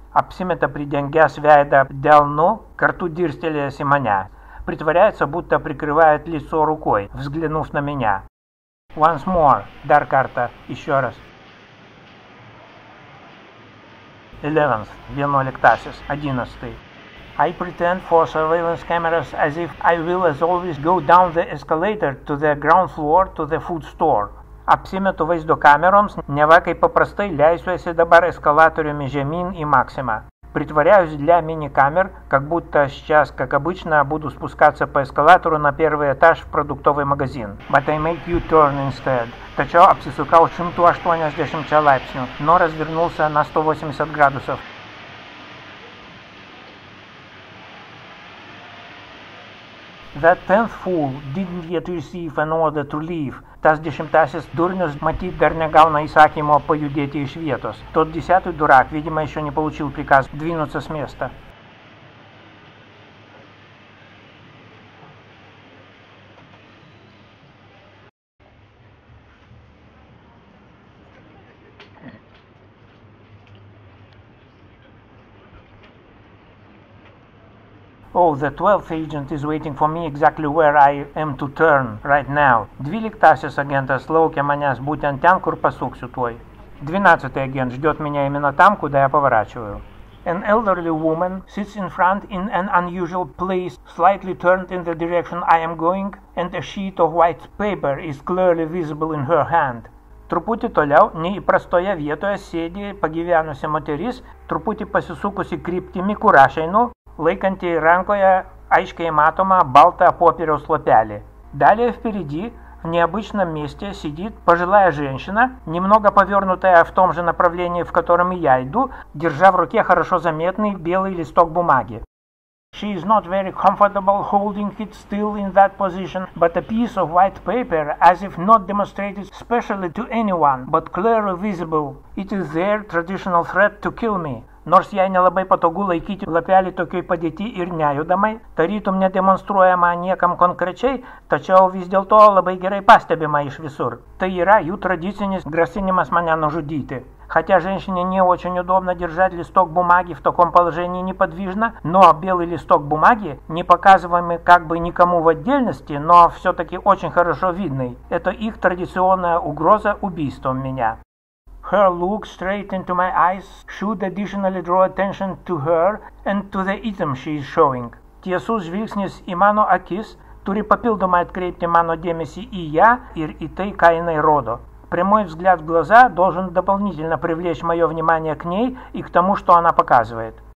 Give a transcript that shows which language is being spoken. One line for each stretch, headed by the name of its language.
Lithuanian: Apsimeta pridengęs veidą delnu, kartu dirstelėjęs į mane.
Russian: Pritvaряется, будто прикрывает лицо рукой, взглянув на меня.
English: Once more,
Lithuanian: dar kartą,
Russian: еще раз.
Lithuanian: 11th, 11-tasis, 11-tai.
English: I pretend for surveillance cameras as if I will as always go down the escalator to the ground floor to the food store.
Lithuanian: Apsimetu vaizdo kameroms, neva kaip paprastai leisiuosi dabar eskalatoriumi žemyn į maksimą.
Russian: Притворяюсь для мини-камер, как будто сейчас, как обычно, буду спускаться по эскалатору на первый этаж в продуктовый магазин.
English: But I make you turn instead.
Lithuanian: Tačiau apsisukau šimtu aštuoniasdešimčia laipsnių,
Russian: но развернулся на 180 градусов.
English: That 10th fool didn't yet receive an order to leave.
Lithuanian: Tas dešimtasis durnius, matyt, dar negauna įsakymo pajudėti iš vietos.
Russian: Tot 10-ui durak, видимо, еще не получил приказ двинуться с места.
English: Oh, the 12th agent is waiting for me exactly where I am to turn right now.
Lithuanian: 12-tasis agentas laukia manęs būtent ten, kur pasuksiu tuoj.
Russian: 12-tai agent ждет меня именно там, куда я поворачиваю.
English: An elderly woman sits in front in an unusual place, slightly turned in the direction I am going, and a sheet of white paper is clearly visible in her hand.
Lithuanian: Truputį toliau, neįprastoje vietoje sėdi pagyvenusi moteris, truputį pasisukusi kryptimi, kur aš einu, laikantį rankoje aiškiai matomą baltą popieriaus lapelį.
Russian: Далее впереди, в необычном месте, сидит пожилая женщина, немного повернутая в том же направлении, в котором и я иду, держа в руке хорошо заметный белый листок бумаги.
English: She is not very comfortable holding it still in that position, but a piece of white paper, as if not demonstrated specially to anyone, but clearly visible. It is their traditional threat to kill me.
Lithuanian: Nors jai nelabai patogu laikyti lapelį tokioj padėti ir nejudamai, tarytum nedemonstruojama niekam konkrečiai, tačiau vis dėlto labai gerai pastebima iš visur. Tai yra jų tradicinis grasinimas mane nužudyti.
Russian: Хотя женщине не очень удобно держать листок бумаги в таком положении неподвижно, но белый листок бумаги, не показываемый как бы никому в отдельности, но все-таки очень хорошо видный, это их традиционная угроза убийством меня.
English: Her look straight into my eyes should additionally draw attention to her and to the item she is showing.
Lithuanian: Tiesus žvilgsnis į mano akis turi papildomai atkreipti mano dėmesį į ją ir į tai, ką jinai rodo.
Russian: Прямой взгляд в глаза должен дополнительно привлечь мое внимание к ней и к тому, что она показывает.